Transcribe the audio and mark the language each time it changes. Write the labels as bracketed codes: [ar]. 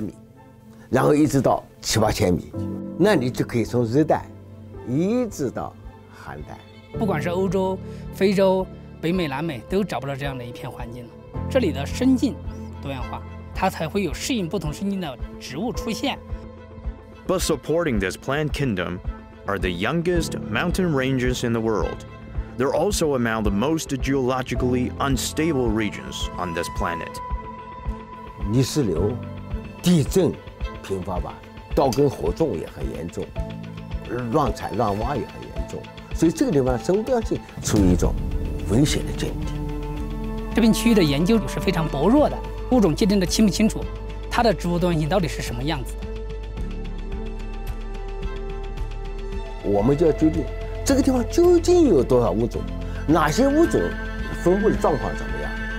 [zh] 我们的边界上是600米，然后一直到7000-8000米。那你就可以从热带一直到寒带，不管是欧洲、非洲、北美、南美，都找不到这样的一片环境了。这里的生境多样化，它才会有适应不同生境的植物出现。 [en] But supporting this plant kingdom are the youngest mountain ranges in the world. They're also among the most geologically unstable regions on this planet. [zh] 泥石流、地震频发吧。刀耕火种也很严重，乱采乱挖也很严重，所以这个地方生物多样性处于一种危险的境地。这片区域的研究是非常薄弱的，物种鉴定的清不清楚，它的植物多样性到底是什么样子的？我们就要究竟这个地方究竟有多少物种，哪些物种分布的状况怎么样？